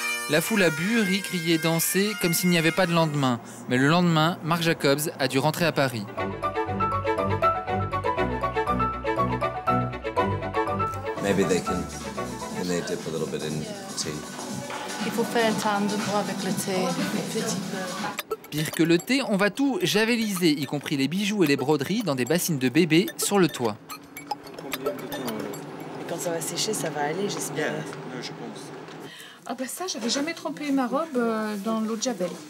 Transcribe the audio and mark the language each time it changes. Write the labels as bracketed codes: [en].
[fr] La foule a bu, ri, crié, dansé, comme s'il n'y avait pas de lendemain. Mais le lendemain, Marc Jacobs a dû rentrer à Paris. [en] Maybe they can, and they dip a little bit in tea. [fr] Il faut faire un tandem avec le thé, petit peu. Pire que le thé, on va tout javeliser, y compris les bijoux et les broderies, dans des bassines de bébé sur le toit. Quand ça va sécher, ça va aller, j'espère. Yeah, je pense. Ah ben ça, j'avais jamais trempé ma robe dans l'eau de Javel.